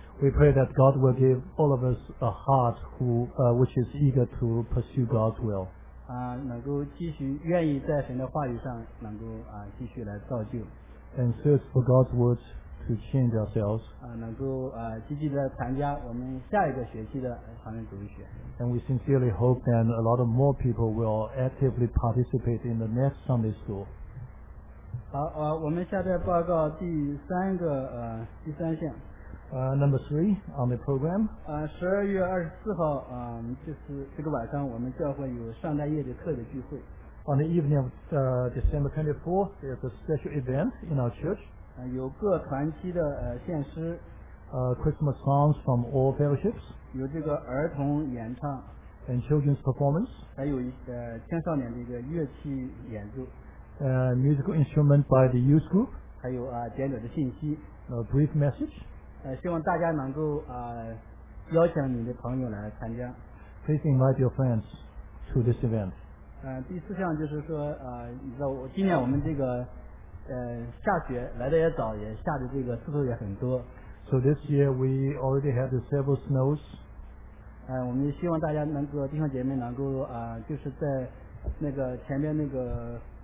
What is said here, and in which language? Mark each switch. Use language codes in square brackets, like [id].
[en] We pray that God will give all of us a heart who, which is eager to pursue God's will. [zh] 能够继续愿意在神的话语上能够继续来造就。 [en] And search for God's word to change ourselves. [zh] 能够积极的参加我们下一个学期的华人主义学。 [en] And we sincerely hope that a lot of more people will actively participate in the next Sunday school. [zh] 好，我们下面报告第三个第三项。 [en] Number three on the program。 [zh] 12月24号，就是这个晚上，我们教会有上代夜的课的聚会。 [en] On the evening of December 24th, there's a special event in our church。 [zh] 有各团契的献诗。 [en] Christmas songs from all fellowships。 [zh] 有这个儿童演唱。 [en] And children's performance。 [zh] 还有青少年的一个乐器演奏。 [en] Musical instrument by the youth group. [zh] 还有简短的信息。 [en] A brief message. [zh] 希望大家能够邀请你的朋友来参加。 [en] Please invite your friends to this event. [zh] 第四项就是说你知道今年我们这个下雪来的也早，也下的这个次数也很多。 [en] So this year we already had several snows. [zh] 我们希望大家能够弟兄姐妹能够就是在那个前面那个。